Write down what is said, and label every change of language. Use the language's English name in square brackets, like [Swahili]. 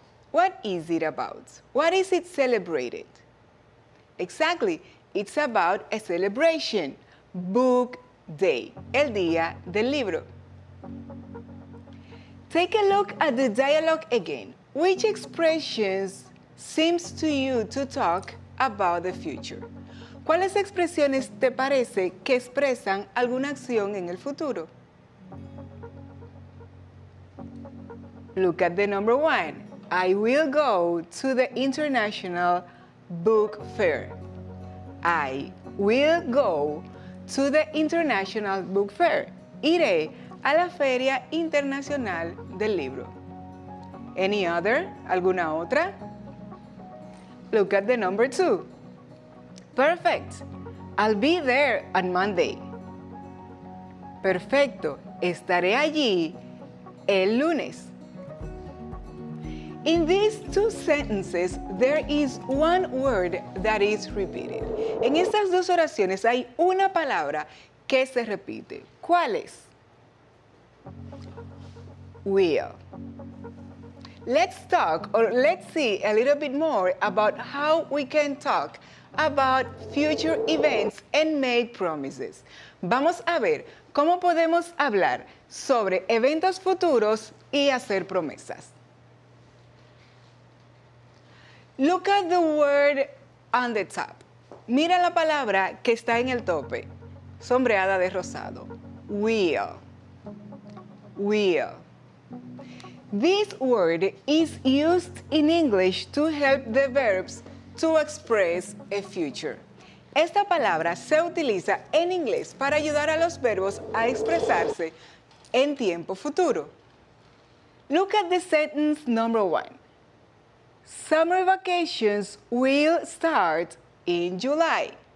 [English] What is it about? What is it celebrated? Exactly, it's about a celebration. Book day, [Spanish] el día del libro. [English] Take a look at the dialogue again. Which expressions seems to you to talk about the future? [Spanish] ¿Cuáles expresiones te parece que expresan alguna acción en el futuro? [English] Look at the number one. I will go to the International Book Fair. I will go to the International Book Fair. [Spanish] Iré a la Feria Internacional del Libro. [English] Any other? [Spanish] ¿Alguna otra? [English] Look at the number two. Perfect. I'll be there on Monday. [Spanish] Perfecto. Estaré allí el lunes. [English] In these two sentences, there is one word that is repeated. [Spanish] En estas dos oraciones hay una palabra que se repite. ¿Cuál es? [English] Will. Let's talk, or let's see a little bit more about how we can talk about future events and make promises. [Spanish] Vamos a ver cómo podemos hablar sobre eventos futuros y hacer promesas. [English] Look at the word on the top. [Spanish] Mira la palabra que está en el tope, sombreada de rosado. [English] Will. Will. This word is used in English to help the verbs to express a future. [Spanish] Esta palabra se utiliza en inglés para ayudar a los verbos a expresarse en tiempo futuro. [English] Look at the sentence number one. Summer vacations will start in July.